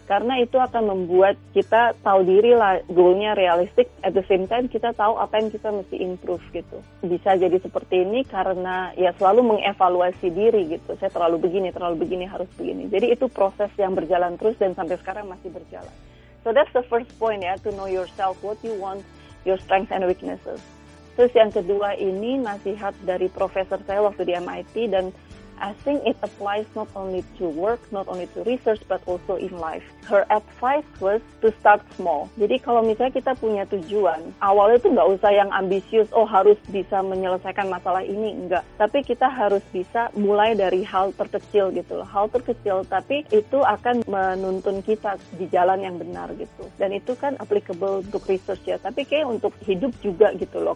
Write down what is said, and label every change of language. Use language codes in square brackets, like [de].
[id] Karena itu akan membuat kita tahu diri lah, goalnya realistic. [en] At the same time, [id] kita tahu apa yang kita mesti improve gitu. Bisa jadi seperti ini karena ya selalu mengevaluasi diri gitu. Saya terlalu begini, harus begini. Jadi itu proses yang berjalan terus dan sampai sekarang masih berjalan. [en] So that's the first point ya, to know yourself, what you want, your strengths and weaknesses. [id] Terus yang kedua ini nasihat dari profesor saya waktu di MIT, dan [en] I think it applies not only to work, not only to research, but also in life. Her advice was to start small. [id] Jadi kalau misalnya kita punya tujuan, awalnya tuh nggak usah yang ambisius, oh harus bisa menyelesaikan masalah ini, enggak. Tapi kita harus bisa mulai dari hal terkecil gitu loh. Hal terkecil, tapi itu akan menuntun kita di jalan yang benar gitu. Dan itu kan applicable untuk research ya, tapi kayak untuk hidup juga gitu loh.